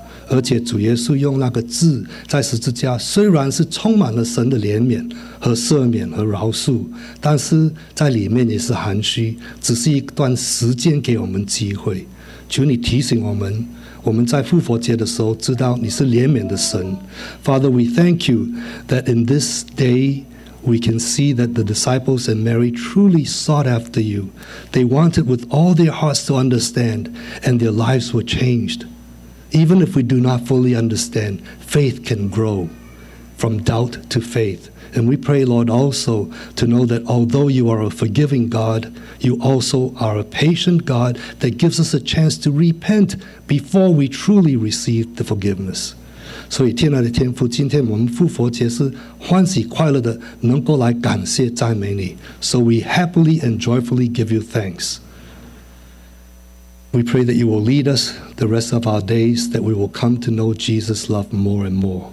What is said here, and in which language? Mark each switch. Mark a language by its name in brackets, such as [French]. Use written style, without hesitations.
[Chinese] 而且主耶稣用那个字在十字架，虽然是充满了神的怜悯和赦免和饶恕，但是在里面也是含蓄，只是一段时间给我们机会。求你提醒我们，我们在复活节的时候知道你是怜悯的神。 [English] Father, we thank you that in this day we can see that the disciples and Mary truly sought after you. They wanted with all their hearts to understand, and their lives were changed. Even if we do not fully understand, faith can grow from doubt to faith. And we pray, Lord, also to know that although you are a forgiving God, you also are a patient God that gives us a chance to repent before we truly receive the forgiveness. [Chinese] 所以天父的天父，今天我们复活节是欢喜快乐的，能够来感谢赞美你。 [English] So we happily and joyfully give you thanks. We pray that you will lead us the rest of our days, that we will come to know Jesus' love more and more.